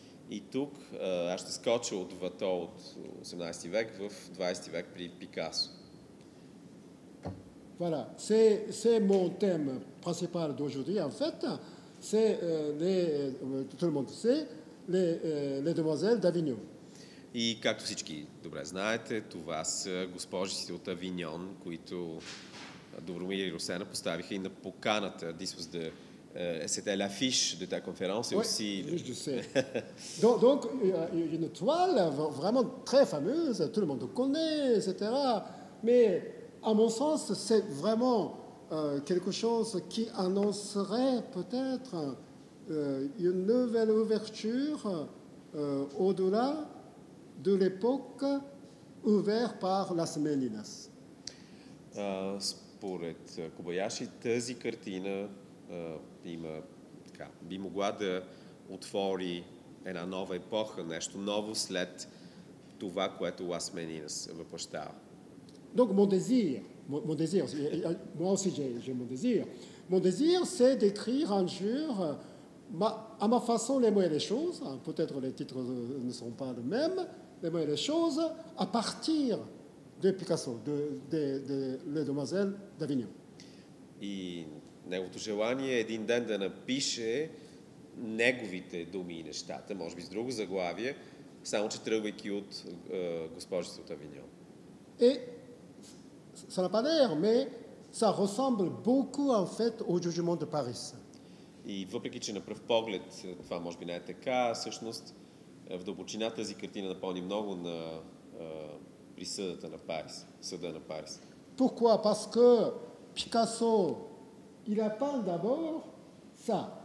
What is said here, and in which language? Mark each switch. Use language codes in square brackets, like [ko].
[bg] И тук аз ще скоча от Вато от 18 век в 20 век при Пикасо. [fr] Voilà, c'est mon thème principal d'aujourd'hui. En fait, c'est tout le monde sait les demoiselles d'Avignon. [bg] И както всички добре знаете, това са госпожите от Авиньон, които Добромир и Росена поставиха и на поканата. [en] This was the [fr] c'était l'affiche de ta conférence oui, aussi. Je sais. Donc, une toile vraiment très fameuse, tout le monde connaît, etc. Mais, à mon sens, c'est vraiment quelque chose qui annoncerait peut-être une nouvelle ouverture au-delà de l'époque ouverte par Las Meninas. Pour [bg] Кобаяши, тази картина има така, би могла да отвори една нова епоха, нещо ново след това, което Лас Менинас въплъщава. [fr] Donc mon désir, c'est d'écrire un jour à ma façon les mots et les choses, peut-être les titres ne sont pas les mêmes, les mots et les choses à partir de Picasso, de Les Demoiselles d'Avignon. [bg] И неговото желание е един ден да напише неговите думи и нещата, може би с друго заглавие, само че тръгвайки от госпожите от Авиньон. [fr] Е, ça n'a pas l'air, mais ça ressemble beaucoup, en fait, au jugement de Paris. [bg] И въпреки че на пръв поглед това може би не е така, всъщност в дълбочина тази картина напълни много на присъдата на Парис, съда на Парис. [fr] Pourquoi? Parce que Picasso, il a peint d'abord ça.